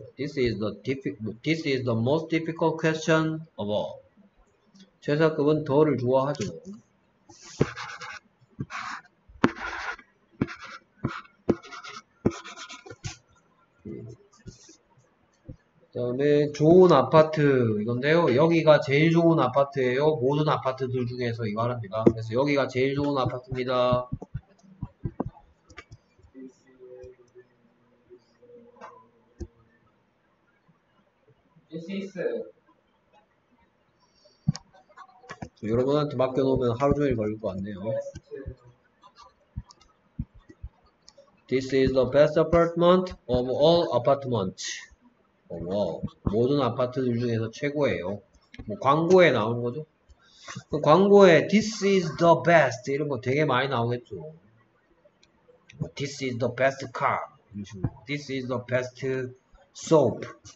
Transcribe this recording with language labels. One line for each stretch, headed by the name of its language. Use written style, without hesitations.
English: This is the most difficult question of all.
Korean: 최사급은 더를 좋아하죠. 그다음에 좋은 아파트 이건데요. 여기가 제일 좋은 아파트예요. 모든 아파트들 중에서 이 말합니다. 그래서 여기가 제일 좋은 아파트입니다. 여러분한테 맡겨놓으면 하루 종일 걸릴 것 같네요.
English: This is the best apartment of all apartments.
Korean: 와우. 모든 아파트들 중에서 최고예요. 뭐 광고에 나오는 거죠? 광고에
English: This is the best
Korean: 이런 거 되게 많이 나오겠죠.
English: This is the best car. This is the best soap.